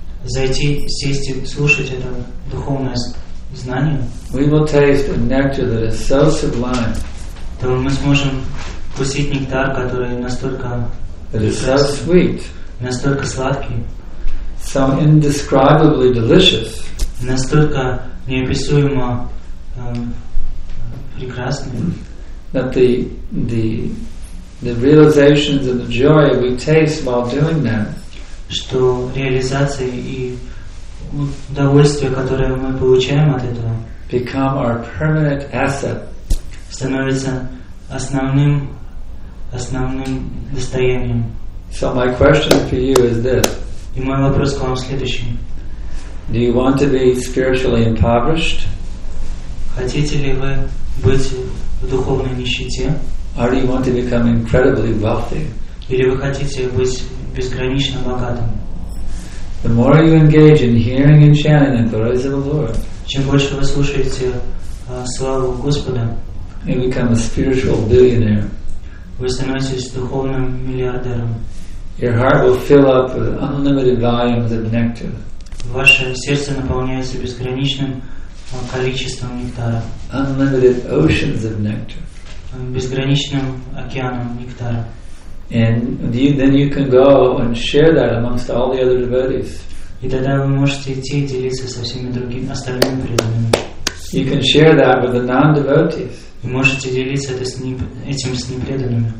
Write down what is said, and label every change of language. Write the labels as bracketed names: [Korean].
[Russian] зайти, сесть и слушать это духовное знание, [English] we will taste a nectar that is so sublime, [Russian] то мы сможем вкусить нектар, который настолько [English] so sweet, [Russian] настолько сладкий, [English] so indescribably delicious, [Russian] настолько неописуемо прекрасными. [English] That the realizations and the joy we taste while doing that. [Russian] Что реализация и удовольствие, которое мы получаем от этого. [English] Become our permanent asset. [Russian] Становится основным достоянием. [English] So my question for you is this. [Russian] И мой вопрос к вам следующий. [English] Do you want to be spiritually impoverished? [Russian] Хотите ли вы быть в духовной нищете? [English] Or do you want to become incredibly wealthy? [Russian] Или вы хотите быть безгранично богатым? [English] The more you engage in hearing and chanting the glories of the Lord, [Russian] чем больше вы слушаете славу Господа, [English] you become a spiritual billionaire. [Russian] Вы становитесь духовным миллиардером. [English] Your heart will fill up with unlimited volumes of nectar. [Russian] Ваше сердце наполняется безграничным количеством нектара. [English] Unlimited oceans of nectar. [Russian] Безграничным океаном нектара. [English] And then you can go and share that amongst all the other devotees. [Russian] И тогда вы можете идти и делиться со всеми другими остальными преданными. [English] You can share that with the non-devotees. [Russian] Вы можете делиться это с ним, этим с непреданными.